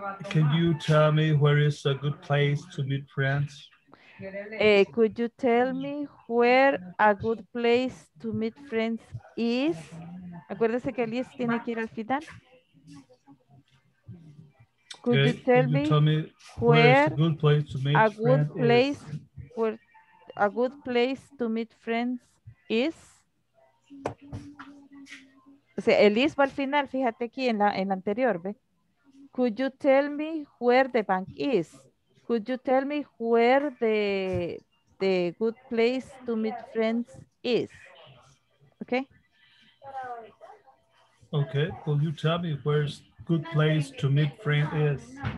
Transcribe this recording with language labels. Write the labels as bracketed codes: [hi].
[en] Can you tell me where is a good place to meet friends? Could you tell me where a good place to meet friends is? [es] Acuérdese que Liz tiene que ir al final. [en] Could you tell me where a good place to meet friends is? [es] O sea, Elise va al final, fíjate aquí en la anterior, ¿ve? [en] Could you tell me where the bank is? Could you tell me where the good place to meet friends is? Okay? Okay, could you tell me where's good place to meet friends is?